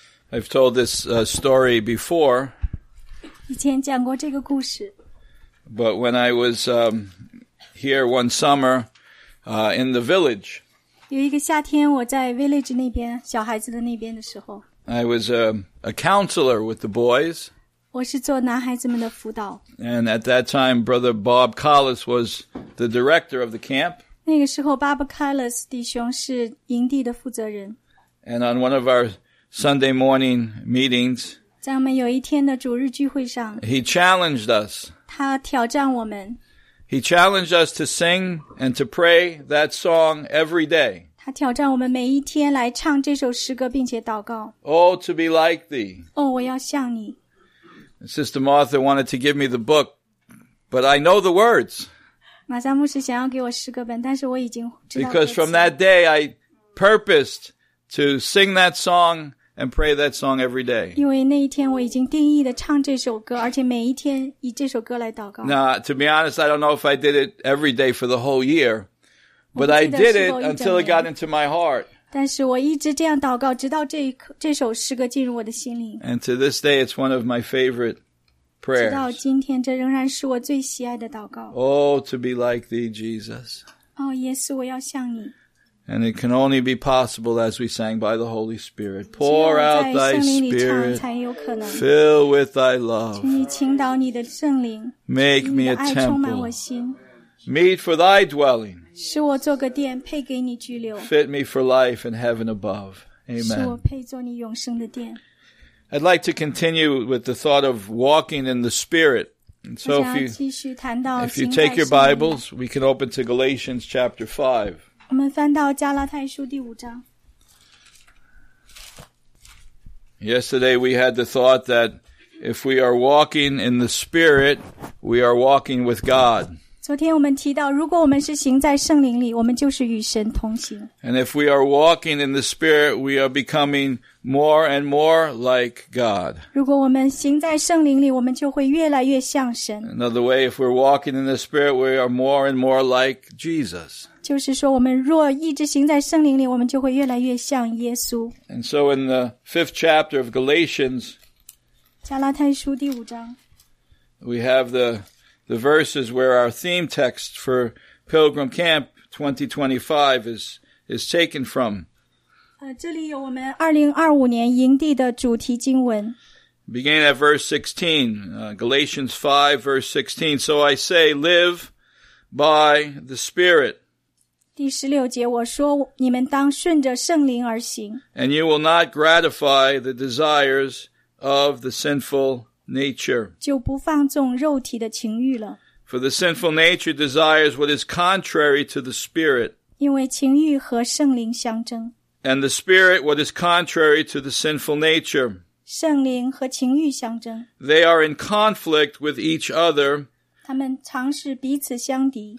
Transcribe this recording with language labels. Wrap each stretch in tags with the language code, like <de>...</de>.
<en>I've told this story before.</en> <zh>以前讲过这个故事。</zh> <en>But when I was here one summer in the village,</en> <zh>有一个夏天我在 village 那边小孩子的那边的时候</zh> <en>I was a counselor with the boys.</en> <zh>我是做男孩子们的辅导。</zh> <en>And at that time, Brother Bob Collis was the director of the camp.</en> <zh>那个时候 Bob Collis 弟兄是营地的负责人。</zh> <en>And on one of our Sunday morning meetings.</en> <zh>在我们有一天的主日聚会上。</zh> <en>He challenged us.</en> <zh>他挑战我们。</zh> <en>He challenged us to sing and to pray that song every day.</en> <zh>他挑战我们每一天来唱这首诗歌并且祷告。</zh> <en>Oh, to be like thee.</en> <zh>哦，我要像你。</zh> <en>Sister Martha wanted to give me the book, but I know the words.</en> <zh>玛莎牧师想要给我诗歌本，但是我已经知道歌词。</zh> <en>Because from that day, I purposed to sing that song and pray that song every day.</en> <zh>因为那一天我已经定义的唱这首歌，而且每一天以这首歌来祷告。</zh> <en>Now, to be honest, I don't know if I did it every day for the whole year, but I did it until it got into my heart.</en> <zh>但是我一直这样祷告，直到这首诗歌进入我的心灵。</zh> <en>And to this day, it's one of my favorite prayers.</en> <zh>直到今天，这仍然是我最喜爱的祷告。</zh> <en>Oh, to be like thee, Jesus.</en> <zh>哦，耶稣，我要像你。</zh> <en>And it can only be possible as we sang by the Holy Spirit. Pour out thy Spirit. Fill with thy love.</en> <zh>请你倾倒你的圣灵。</zh> <en>Make me a temple. Meet for thy dwelling.</en> <zh>使我做个殿，配给你居留。</zh> <en>Fit me for life in heaven above. Amen.</en> <zh>使我配做你永生的殿。</zh> <en>I'd like to continue with the thought of walking in the Spirit. And so if you take your Bibles, we can open to Galatians chapter 5.</en> <zh>我们翻到加拉太书第五章。</zh> <en>Yesterday we had the thought that if we are walking in the Spirit, we are walking with God.</en> <zh>昨天我们提到，如果我们是行在圣灵里，我们就是与神同行。</zh> <en>And if we are walking in the Spirit, we are becoming more and more like God.</en> <zh>如果我们行在圣灵里，我们就会越来越像神。</zh> <en>Another way, if we're walking in the Spirit, we are more and more like Jesus.</en> <zh>就是说，我们若一直行在圣灵里，我们就会越来越像耶稣。</zh> <en>And so in the fifth chapter of Galatians,</en> <zh>加拉太书第五章</zh> <en>we have the verses where our theme text for Pilgrim Camp 2025 is taken from.</en> <zh>这里有我们2025年营地的主题经文。</zh> <en>Beginning at verse 16, Galatians 5, verse 16. So I say, live by the Spirit.</en> <zh>第十六节我说你们当顺着圣灵而行。</zh> <en>And you will not gratify the desires of the sinful nature.</en> <zh>就不放纵肉体的情欲了。</zh> <en>For the sinful nature desires what is contrary to the spirit.</en> <zh>因为情欲和圣灵相争。</zh> <en>And the spirit what is contrary to the sinful nature.</en> <zh>圣灵和情欲相争。</zh> <en>They are in conflict with each other.</en> <zh>他们常是彼此相敌。</zh>